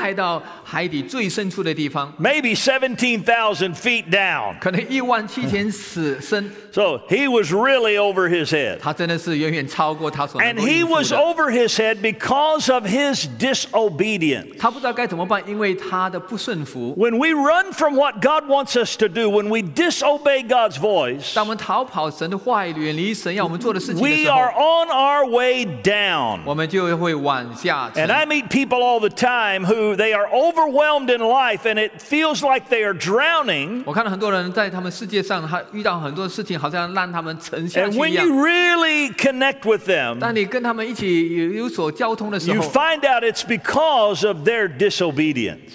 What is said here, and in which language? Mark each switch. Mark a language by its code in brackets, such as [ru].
[zh] 这个大鱼吃了这个约拿以后，就把这个约拿一起带到海底最深处的地方。 [en] Maybe 17,000 feet down. [zh] 可能17,000尺深。 [en] So he was really over his head. [zh] 他真的是远远超过他所能够应付的。 [en] And he was over his head because of his disobedience. [zh] 他不知道该怎么办，因为他的不顺服。 [en] When we run from what God wants us to do, when we disobey God's voice, [zh] 当我们逃跑神的话语，远离神要我们做的。 [en] We are on our way down. And I meet people all the time who they are overwhelmed in life and it feels like they are drowning. And when you really connect with them, you find out it's because of their disobedience.